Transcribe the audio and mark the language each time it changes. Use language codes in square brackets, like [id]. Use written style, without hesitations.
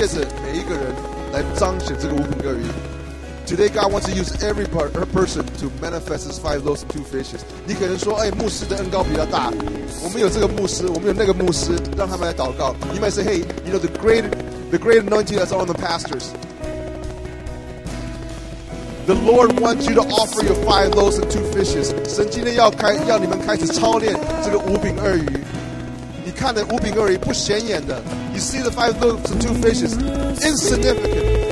[zh] 所以我就是鼓励你们，今天有得到这个渔夫、牧羊人，还有一个门徒的这个恩膏。我鼓励你们今天就开始出来，把你的五饼二鱼开始带出来。今天神在这个地方要借着每一个人来彰显这个五饼二鱼。 [en] Today, God wants to use every person to manifest his five loaves and two fishes. [zh] 你可能说，哎，牧师的恩膏比较大。我们有这个牧师，我们有那个牧师，让他们来祷告。 [en] You might say, hey, you know, the great anointing that's on the pastors. The Lord wants you to offer your five loaves and two fishes. [zh] 神今天要开，要你们开始操练这个五饼二鱼。你看的五饼二鱼不显眼的。 [en] You see the five loaves and two fishes, insignificant.